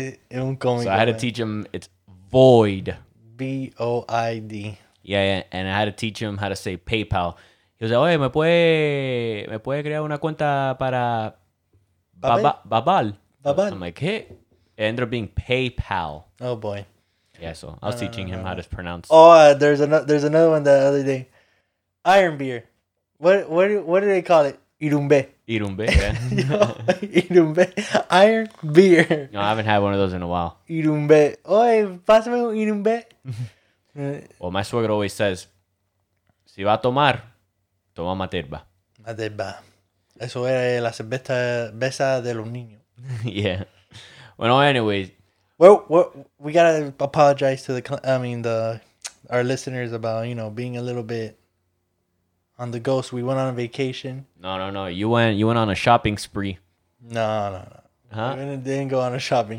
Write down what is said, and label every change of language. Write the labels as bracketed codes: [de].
[en] So I had to teach him, it's void. B-O-I-D. Yeah, and I had to teach him how to say PayPal. He was like, [es] oye, ¿me puede crear una cuenta para Babal? [en] I'm like, hey. It ended up being PayPal. Oh, boy. Yeah, so I was teaching him how to pronounce. Oh, there's another one the other day. Iron beer. What do they call it? Irumbe. Irumbe, yeah. Irumbe. Iron beer. No, I haven't had one of those in a while. [es] Irumbe. Oye, pásame un irumbe. [en] Well, my suegro always says, [es] si va a tomar, toma materba. Materba. Eso era la cerveza de los niños. [en] Yeah. Well, anyways. Well, we gotta apologize to our listeners about, you know, being a little bit on the ghost. We went on a vacation. No. You went on a shopping spree. No. Huh? We didn't go on a shopping